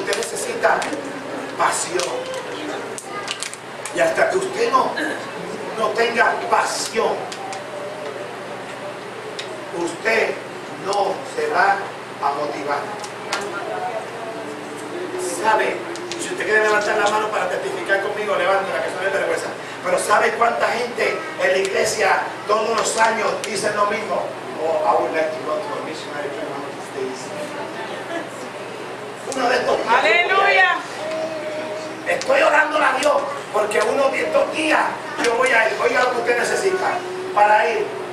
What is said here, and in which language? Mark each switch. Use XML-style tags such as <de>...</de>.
<es>Usted necesita pasión. Y hasta que usted no tenga pasión, usted no se va a motivar. ¿Sabe? Si usted quiere levantar la mano para testificar conmigo, levántela, que eso no es vergüenza. Pero ¿sabe cuánta gente en la iglesia todos los años dice lo mismo?</es> <en>Oh, I would like to go to a missionary to one of these days.</en> <es>Uno de estos días. ¡Aleluya! Estoy orándole a Dios porque uno de estos días yo voy a ir. Oiga lo que usted necesita para ir.</es>